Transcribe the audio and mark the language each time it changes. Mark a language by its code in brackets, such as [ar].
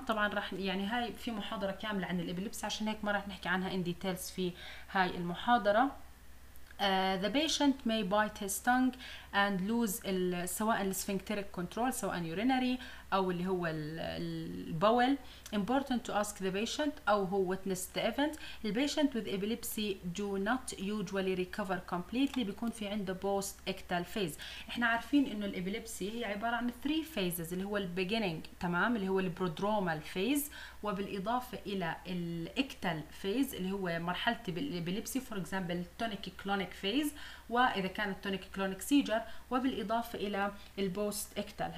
[ar] طبعا راح يعني هاي في محاضره كامله عن الابيليبسي عشان هيك ما راح نحكي عنها ان ديتيلز في هاي المحاضره. [en] The patient may bite his tongue and lose [ar] سواء السفنكتيريك كنترول سواء يورينري او اللي هو البول. [en] Important to ask the patient [ar] او هو [en] witness the event. The patient with epilepsy do not usually recover completely. [ar] بيكون في عنده [en] post ectal phase. [ar] احنا عارفين انه الابيليبسي هي عبارة عن 3 phases اللي هو البيجينينج تمام اللي هو البرودرومال فيز وبالاضافة الى الاكتال فيز اللي هو مرحلة بالابيليبسي [en] for example tonic clonic phase [ar] واذا كانت [en] tonic clonic seizure [ar] وبالاضافة الى البوست اكتال.